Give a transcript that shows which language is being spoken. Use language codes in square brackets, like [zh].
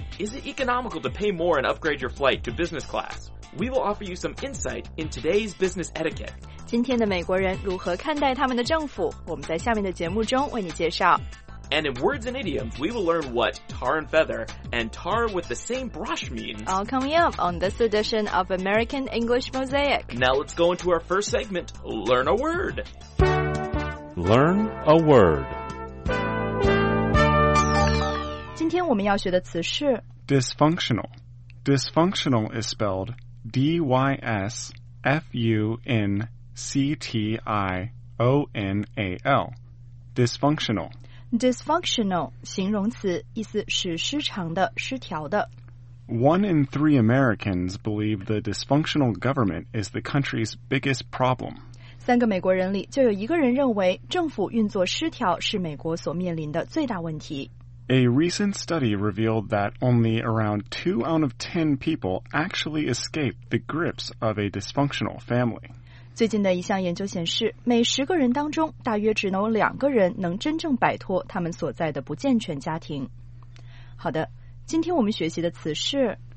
[en] Is it economical to pay more and upgrade your flight to business class? We will offer you some insight in today's business etiquette. [zh] 今天的美国人如何看待他们的政府？我们在下面的节目中为你介绍。 [en] And in words and idioms, we will learn what tar and feather and tar with the same brush means. All coming up on this edition of American English Mosaic. Now let's go into our first segment, Learn a Word. Learn a Word. [zh] 今天我们要学的词是 [en] Dysfunctional. Dysfunctional is spelled D-Y-S-F-U-N-C-T-I-O-N-A-L. Dysfunctional. [zh] Dysfunctional, 形容词，意思是失常的、失调的。 [en] One in three Americans believe the dysfunctional government is the country's biggest problem. [zh] 三个美国人里就有一个人认为政府运作失调是美国所面临的最大问题。 [en] A recent study revealed that only around 2 out of 10 people actually escape the grips of a dysfunctional family. [zh] 最近的一项研究显示，每10个人当中，大约只有2个人能真正摆脱他们所在的不健全家庭。好的，今天我们学习的词是